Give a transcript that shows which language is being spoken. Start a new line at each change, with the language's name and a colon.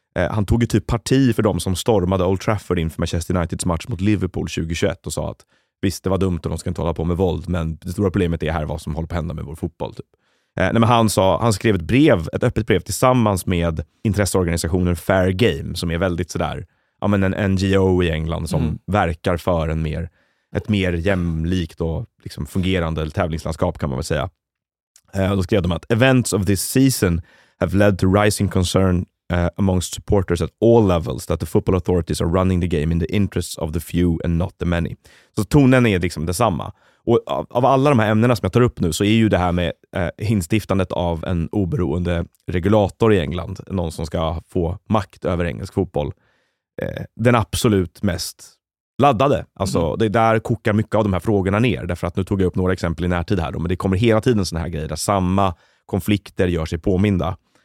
Swedish: Han tog ju typ parti för dem som stormade Old Trafford inför Manchester Uniteds match mot Liverpool 2021 och sa att visst, det var dumt och de ska inte hålla på med våld, men det stora problemet är här vad som håller på att hända med vår fotboll, typ. Han skrev ett öppet brev tillsammans med intresseorganisationen Fair Game, som är väldigt sådär, ja, men en NGO i England som verkar för en mer, ett mer jämlikt och liksom fungerande tävlingslandskap kan man väl säga. Då skrev de att
English: events of this season have led to rising concern amongst supporters at all levels that the football authorities are running the game in the interests of the few and not the many.
Swedish: Så tonen är liksom detsamma. Och av alla de här ämnena som jag tar upp nu så är ju det här med instiftandet av en oberoende regulator i England, någon som ska få makt över engelsk fotboll, den absolut mest laddade. Alltså det är där kokar mycket av de här frågorna ner, därför att nu tog jag upp några exempel i närtid här då, men det kommer hela tiden såna här grejer där samma konflikter gör sig påminda.